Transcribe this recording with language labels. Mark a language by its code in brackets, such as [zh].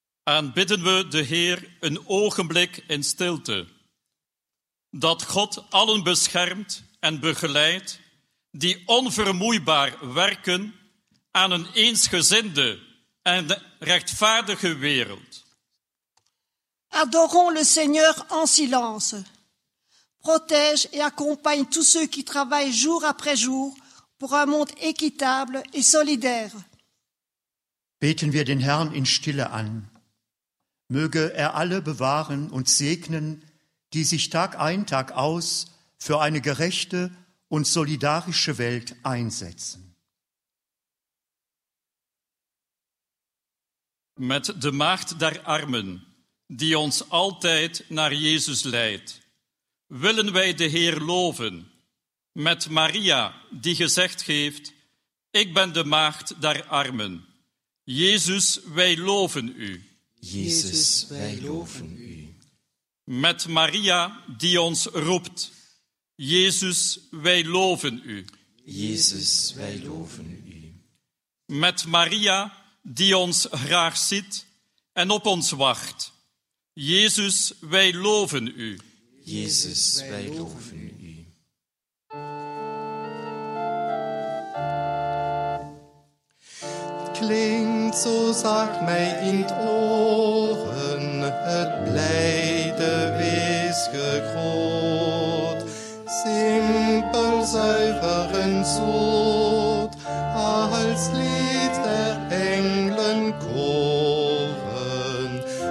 [nl] Aanbidden we de Heer een ogenblik in stilte, dat God allen beschermt en begeleidt die onvermoeibaar werken aan een eensgezinde en rechtvaardige wereld. [fr] Adorons le Seigneur en silence. Protège et accompagne tous ceux qui travaillent jour après jour pour un monde équitable et solidaire. [de] Beten wir den Herrn in Stille an. Möge er alle bewahren und segnen, die sich Tag ein, Tag aus für eine gerechte und solidarische Welt einsetzen. [nl] Met de Macht der Armen, die uns altijd naar Jesus leidt, willen wij de Heer loven. Met Maria, die gezegd heeft, ik ben de Maagd der Armen. Jezus, wij loven u. Jezus, wij loven u. Met Maria, die ons roept. Jezus, wij loven u. Jezus, wij loven u. Met Maria, die ons graag ziet en op ons wacht. Jezus, wij loven u. Jezus, wij loven u. Klingt so, sag mij in Ohren, het blijde wees gegroot. Simpel, säuveren Sod, als Lied der Englen koren.